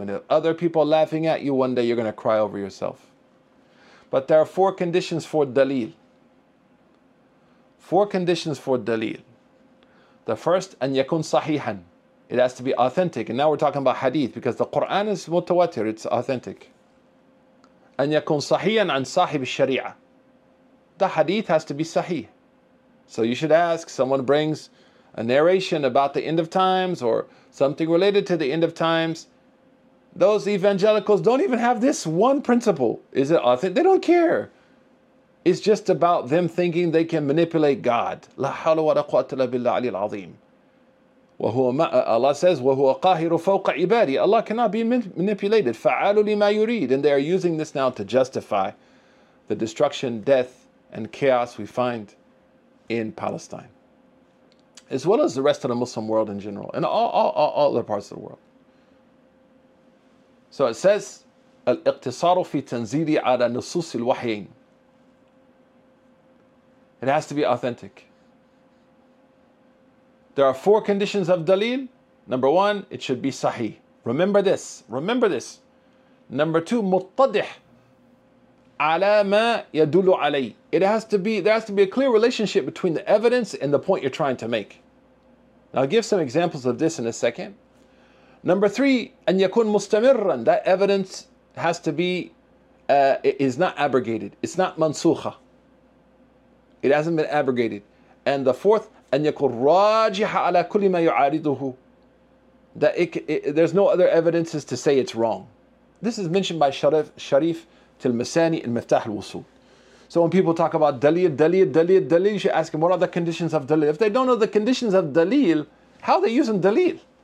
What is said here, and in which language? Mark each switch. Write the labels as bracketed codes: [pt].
[en] And if other people are laughing at you, one day you're going to cry over yourself. But there are four conditions for dalil. Four conditions for dalil. The first, [ar] an yakun sahihan. [en] It has to be authentic. And now we're talking about hadith, because the Quran is mutawatir, it's authentic. [ar] أن يكون صحيحاً عن صاحب الشريعة. [en] The hadith has to be sahih. So you should ask, someone brings a narration about the end of times or something related to the end of times. Those evangelicals don't even have this one principle. Is it authentic? They don't care. It's just about them thinking they can manipulate God. [ar] لا حول ولا قوة إلا بالله العلي العظيم. [en] Allah says, [ar] وَهُوَ قَاهِرُ فَوْقَ عِبَادِي. [en] Allah cannot be manipulated. [ar] فَعَالُ لِمَا يُرِيدُ. [en] And they are using this now to justify the destruction, death, and chaos we find in Palestine, as well as the rest of the Muslim world in general, and all other parts of the world. So it says, [ar] الاقتصار في تنزيلي على نصوص الوحيين. [en] It has to be authentic. There are four conditions of dalil. Number one, it should be sahih. Remember this. Remember this. Number two, [ar] muttadih ala ma yadulu alayh. [en] It has to be, there has to be a clear relationship between the evidence and the point you're trying to make. Now, I'll give some examples of this in a second. Number three, [ar] an yakun mustamirran. [en] That evidence has to be, is not abrogated. It's not mansukha. It hasn't been abrogated. And the fourth, [ar] أن يكون راجح على كل ما يعارضه. [en] That there's no other evidences to say it's wrong. This is mentioned by Sharif Tilmasani in Miftah al-Wusul. So when people talk about dalil, you should ask them, what are the conditions of dalil? If they don't know the conditions of dalil, how are they using dalil?